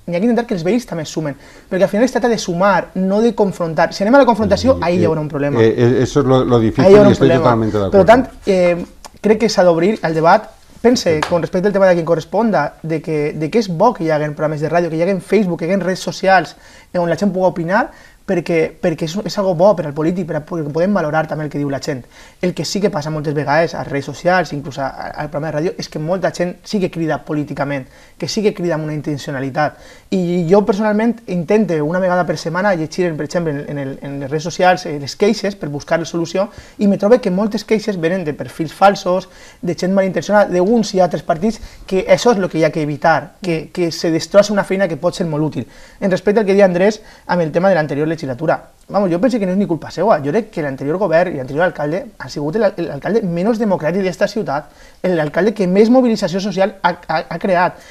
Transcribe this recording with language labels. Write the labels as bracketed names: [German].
[Catalan] N'hi ha que intentar que els veïns també sumen, perquè al final es tracta de sumar, no de confrontar. Si anem a la confrontació, ahí hi haurà un problema. [Spanish] Eso es lo difícil y estoy totalmente de acuerdo. [Catalan] Per tant, crec que s'ha d'obrir el debat. Pense, con respecte al tema de [Spanish] a quien corresponda, [Catalan] de que és bo que hi haguen programes de ràdio, que hi haguen Facebook, que hi haguen redes socials on la gent pugui opinar, perquè és algo bo per al polític, perquè podem valorar també el que diu la gent. El que sí que passa moltes vegades a redes socials, inclús al programa de ràdio, és que molta gent sí que crida políticament, que sí que crida amb una intencionalitat. I jo personalment intento una vegada per setmana llegir, per exemple, en les redes socials les queixes per buscar la solució i me trobo que moltes queixes venen de perfils falsos, de gent malintencionada, d'uns i altres partits, que això és el que hi ha que evitar, que se destrossa una feina que pot ser molt útil. En respecte al que deia Andrés amb el tema de l'anterior legislatura. [Spanish] Vamos, yo pensé que no es ni culpa seua. Yo creo que el anterior gobierno y el anterior alcalde han sido el alcalde menos democrático de esta ciudad, el alcalde que más movilización social ha creado.